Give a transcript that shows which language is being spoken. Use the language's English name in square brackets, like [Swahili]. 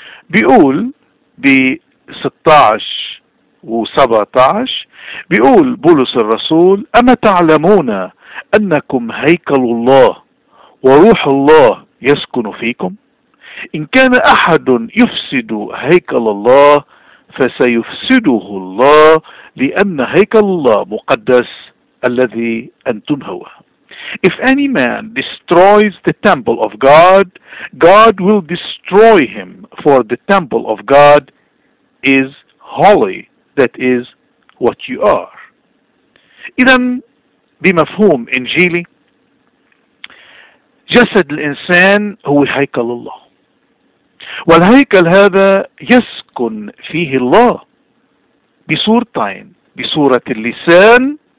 [Arabic] بيقول ب16 و17، بيقول بولس الرسول: أما تعلمون أنكم هيكل الله وروح الله يسكن فيكم؟ إن كان أحد يفسد هيكل الله فسيفسده الله، لأن هيكل الله مقدس الذي أنتم هو. [English] If any man destroys the temple of God, God will destroy him, for the temple of God is holy, that is what you are. [Arabic] إذن بمفهوم إنجيلي جسد الإنسان هو هيكل الله، والهيكل هذا يسكن فيه الله بصورتين: بصورة اللسان،